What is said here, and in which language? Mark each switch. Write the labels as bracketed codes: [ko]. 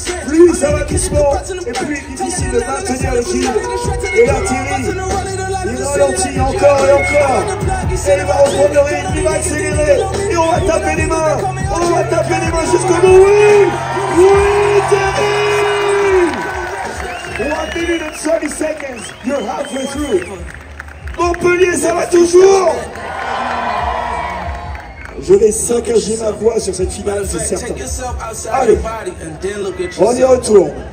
[fr] Plus ça va doucement et plus difficile de maintenir l'équilibre. Et là, Thierry, il ralentit encore et encore. Et il va reprendre le rythme, il va accélérer. Et on va taper les mains. On va taper les mains jusqu'au bout. Oui, oui, Thierry. [en] 1 minute and 30 seconds, you're halfway through. [fr] Montpellier, ça va toujours. Je vais saccager ma voix sur cette finale, c'est certain. Allez, on y retourne.